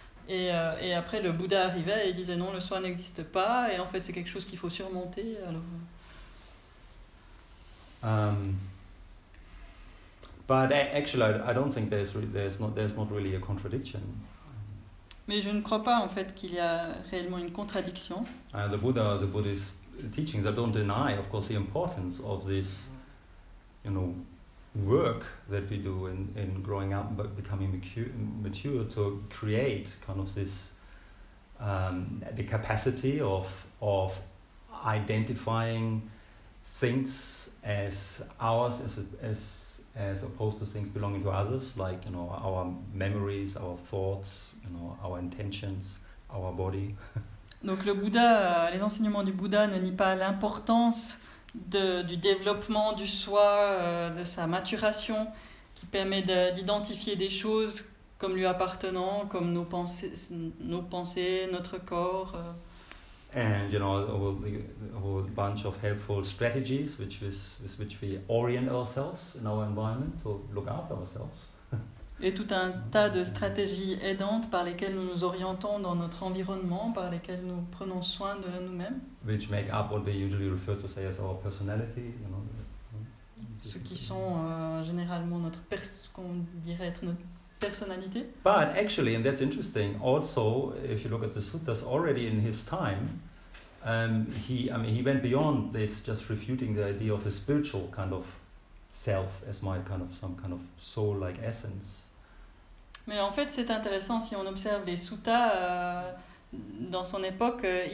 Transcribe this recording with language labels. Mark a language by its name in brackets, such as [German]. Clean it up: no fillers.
[French] Et après, le Bouddha arrivait et disait non, le soi n'existe pas, et en fait c'est quelque chose qu'il faut surmonter. Alors. [English] But actually, I don't think there's not really a contradiction. [French] Mais je ne crois pas en fait qu'il y a réellement une contradiction. [English] The Buddha, the Buddhist teachings, I don't deny, of course, the importance of this, you know, work that we do in growing up but becoming mature to create kind of this the capacity of identifying things as ours, as as opposed to things belonging to others, like, you know, our memories, our thoughts, you know, our intentions, our body. [French] Donc le Bouddha, les enseignements du Bouddha ne nient pas l'importance du développement du soi, de sa maturation, qui permet d'identifier des choses comme lui appartenant, comme nos pensées, notre corps. [English] And you know, a whole bunch of helpful strategies with which we orient ourselves in our environment to look after ourselves. [French] Et tout un tas de stratégies aidantes par lesquelles nous nous orientons dans notre environnement, par lesquelles nous prenons soin de nous-mêmes. [English] Which make up what we usually refer to say as our personality, you know. [French] Ce qui sont généralement ce qu'on dirait être notre personnalité. [English] But actually, and that's interesting, also, if you look at the suttas, already in his time, he went beyond this, just refuting the idea of a spiritual kind of self as my kind of some kind of soul-like essence. [French] Mais en fait, c'est intéressant si on observe les suttas dans son époque.